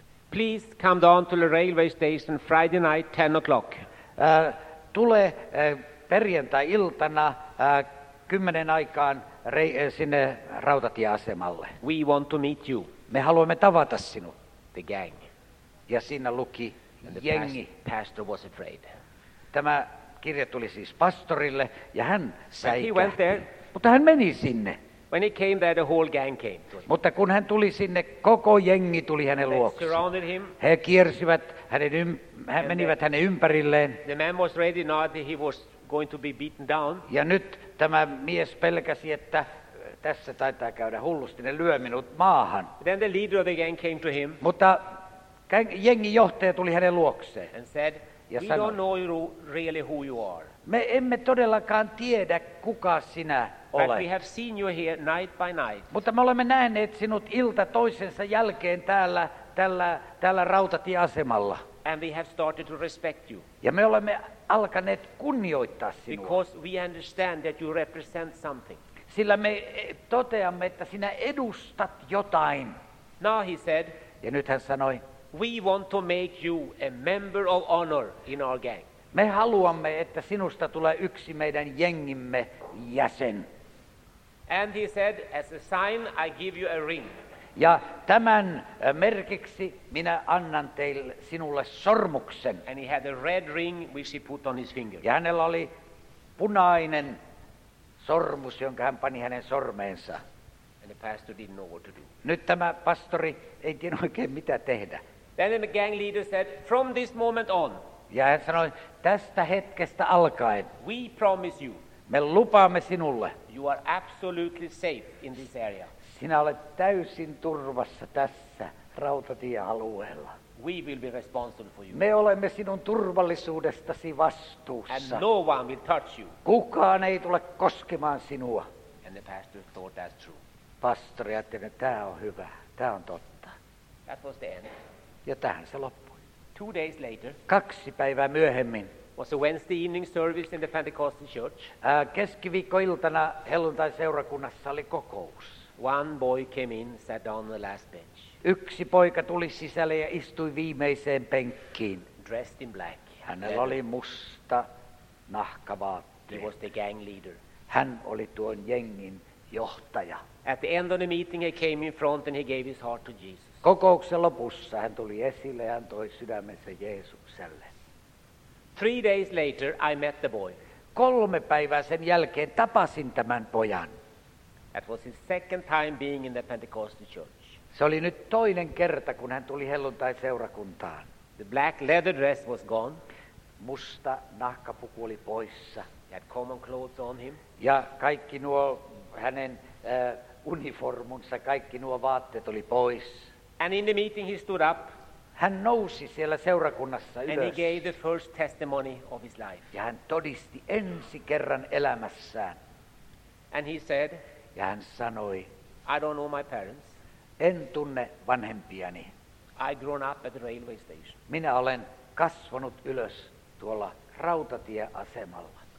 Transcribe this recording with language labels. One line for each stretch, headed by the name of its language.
English: Please come down to the railway station Friday night 10 o'clock.
Finnish: Tule perjantai-iltana 10 aikaan sinne rautatieasemalle.
English: We want to meet you.
Finnish: Me haluamme tavata sinut.
English: The gang.
Finnish: Ja siinä luki
English: the
Finnish: jengi.
English: Pastor was afraid.
Finnish: Tämä kirja tuli siis pastorille ja hän säikähti.
English: But he went there.
Finnish: Mutta hän meni sinne.
English: When he came there, the whole gang came.
Finnish: Mutta kun hän tuli sinne, koko jengi tuli hänen luokse.
English: They surrounded him.
Finnish: He kiersivät hänen hän menivät the, hänen ympärilleen.
English: The man was ready now that he was going to be beaten down.
Finnish: Ja nyt tämä mies pelkäsi, että tässä taitaa käydä hullusti, ne lyö minut maahan.
English: Then the leader of the gang came to him.
Finnish: Mutta jengin johtaja tuli hänen luokseen.
English: And said,
Finnish: ja
English: we
Finnish: sanoi,
English: don't know you really who you are.
Finnish: Me emme todellakaan tiedä, kuka sinä olet.
English: But we have seen you here night by night.
Finnish: Mutta me olemme nähneet sinut ilta toisensa jälkeen täällä tällä rautatieasemalla.
English: And we have started to respect you.
Finnish: Ja me olemme alkaneet kunnioittaa sinua.
English: Because we understand that you represent something.
Finnish: Sillä me toteamme, että sinä edustat jotain.
English: Now he said,
Finnish: ja nyt hän sanoi,
English: we want to make you a member of honor in our gang.
Finnish: Me haluamme, että sinusta tulee yksi meidän jengimme jäsen.
English: And he said, as a sign, I give you a ring.
Finnish: Ja tämän merkiksi minä annan teille sinulle sormuksen.
English: And he had a red ring which he put on his finger.
Finnish: Ja hänellä oli punainen sormus, jonka hän pani hänen sormeensa.
English: And the pastor didn't know what to do.
Finnish: Nyt tämä pastori ei tiedä oikein mitä tehdä.
English: Then the gang leader said, from this moment on.
Finnish: Ja hän sanoi, tästä hetkestä alkaen.
English: We promise you.
Finnish: Me lupaamme sinulle.
English: You are absolutely safe in this area.
Finnish: Sinä olet täysin turvassa tässä rautatiealueella.
English: We will be responsible for you.
Finnish: Me olemme sinun turvallisuudestasi vastuussa.
English: And no one will touch you.
Finnish: Kukaan ei tule koskemaan sinua.
English: And the pastor thought that's true.
Finnish: Pastori ajatteli, että tämä on hyvä, tämä on totta.
English: That was the end.
Finnish: Ja tähän se loppui.
English: 2 days later.
Finnish: 2 päivää myöhemmin.
English: Was a Wednesday evening service in the Pentecostal church.
Finnish: Keskiviikkoiltana helluntaiseurakunnassa oli kokous.
English: One boy came in, sat down on the last bench.
Finnish: Yksi poika tuli sisälle ja istui viimeiseen penkkiin.
English: Dressed in black.
Finnish: Hänellä oli musta nahkavaatteet.
English: He was the gang leader.
Finnish: Hän oli tuon jengin johtaja.
English: At the end of the meeting he came in front and he gave his heart to Jesus.
Finnish: Kokouksen lopussa hän tuli esille ja antoi sydämensä Jeesukselle.
English: 3 days later I met the boy.
Finnish: 3 päivää sen jälkeen tapasin tämän pojan.
English: That was his second time being in the Pentecostal church.
Finnish: Se oli nyt toinen kerta, kun hän tuli helluntaiseurakuntaan.
English: The black leather dress was gone.
Finnish: Musta nahkapuku oli poissa.
English: He had common clothes on him.
Finnish: Ja kaikki nuo hänen uniformunsa, kaikki nuo vaatteet oli pois.
English: And in the meeting he stood up.
Finnish: Hän nousi siellä seurakunnassa ylös.
English: And he gave the first testimony of his life.
Finnish: Ja hän todisti ensi kerran elämässään.
English: And he said,
Finnish: ja hän sanoi,
English: I don't know my parents.
Finnish: En tunne vanhempiani.
English: I grown up at the railway station.
Finnish: Minä olen kasvanut ylös tuolla rautatieasemalla.